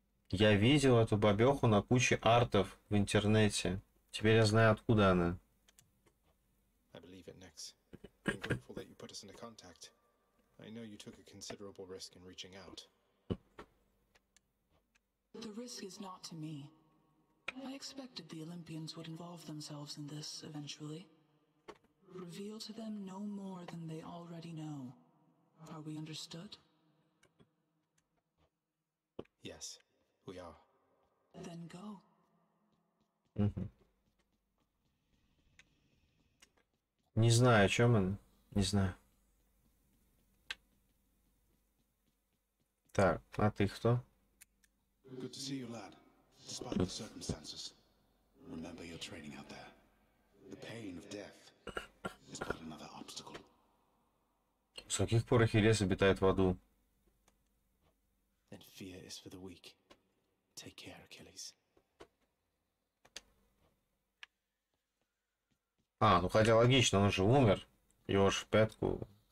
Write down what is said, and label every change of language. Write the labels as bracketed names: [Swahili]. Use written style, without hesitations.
[Russian] Я видел эту бабёху на куче артов в интернете. Теперь я знаю, откуда она. [English] I believe it, Nex. I'm grateful that you put us into contact. I know you took a considerable risk in reaching out. The risk is not to me. I expected the Olympians would involve themselves in this eventually. Reveal to them no more than they already know. Are we understood? Yes, we are. Then go. [Russian] Не знаю, о чем он. Не знаю. Так, а ты кто? [English] Good to see you, lad. Despite the circumstances, remember your training out there. The pain of death is but another obstacle. [Russian] С каких пор Ахиллес обитает в аду? [English] And fear is for the weak. Take care, Achilles. [Russian] А, ну хотя логично, он же умер. Его ж в пятку.